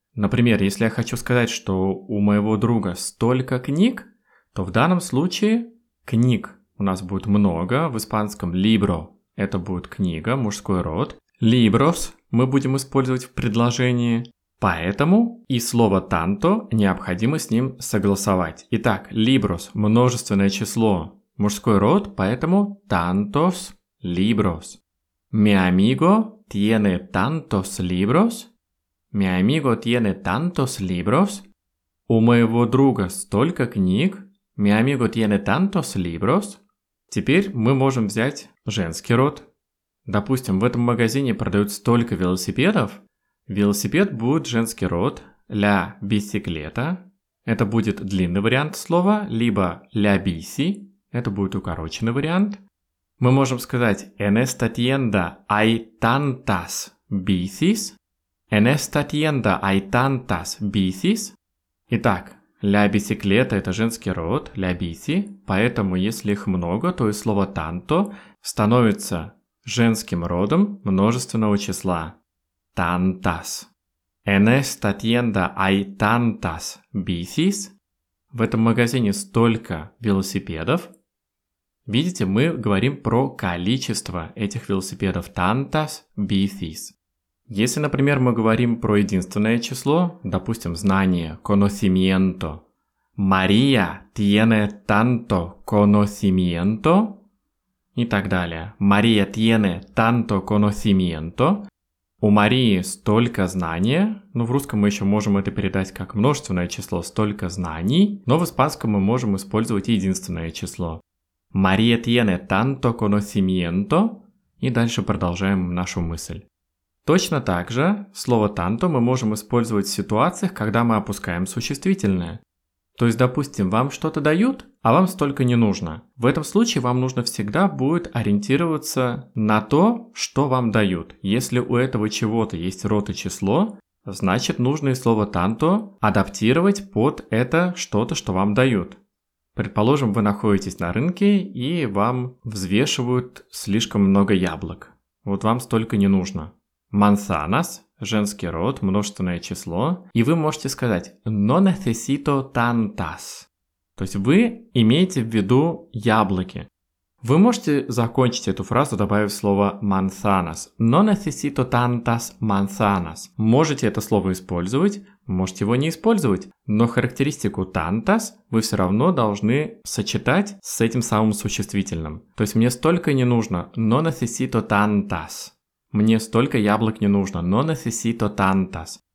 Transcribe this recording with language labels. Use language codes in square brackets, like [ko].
[ru] Например, если я хочу сказать, что у моего друга столько книг, то в данном случае книг у нас будет много, в испанском «libro» — это будет книга, мужской род. «Libros» мы будем использовать в предложении, поэтому и слово «танто» необходимо с ним согласовать. Итак, «libros» — множественное число. Мужской род, поэтому [es] «tantos libros». «Mi amigo tiene tantos libros». «Mi amigo tiene tantos libros». [ru] «У моего друга столько книг». [es] «Mi amigo tiene tantos libros». [ru] Теперь мы можем взять женский род. Допустим, в этом магазине продают столько велосипедов. Велосипед будет женский род. [es] «La bicicleta». [ru] Это будет длинный вариант слова, либо «la bici». Это будет укороченный вариант. Мы можем сказать [es] «En esta tienda hay tantas bicis». «En esta tienda hay tantas bicis». [ru] Итак, «la bicicleta» — это женский род, «la bici». Поэтому, если их много, то и слово «tanto» становится женским родом множественного числа. [es] «Tantas». «En esta tienda hay tantas bicis». [ru] В этом магазине столько велосипедов. Видите, мы говорим про количество этих велосипедов. [es] Tantas bicis. [ru] Если, например, мы говорим про единственное число, допустим, знание, conocimiento. [es] María tiene tanto conocimiento. [ru] И так далее. [es] María tiene tanto conocimiento. [ru] У Марии столько знания. Ну, в русском мы еще можем это передать как множественное число, столько знаний. Но в испанском мы можем использовать единственное число. [es] «Мария tiene tanto conocimiento». [ru] И дальше продолжаем нашу мысль. Точно так же слово «tanto» мы можем использовать в ситуациях, когда мы опускаем существительное. То есть, допустим, вам что-то дают, а вам столько не нужно. В этом случае вам нужно всегда будет ориентироваться на то, что вам дают. Если у этого чего-то есть род и число, значит, нужно и слово «tanto» адаптировать под это что-то, что вам дают. Предположим, вы находитесь на рынке, и вам взвешивают слишком много яблок. Вот вам столько не нужно. Manzanas – женский род, множественное число. И вы можете сказать [es] «no necesito tantas». [ru] То есть вы имеете в виду яблоки. Вы можете закончить эту фразу, добавив слово «manzanas». [es] «No necesito tantas manzanas». [ru] Можете это слово использовать. Можете его не использовать, но характеристику «tantas» вы все равно должны сочетать с этим самым существительным. То есть «мне столько не нужно», [es] «no necesito tantas». [ru] «Мне столько яблок не нужно», «no necesito tantas».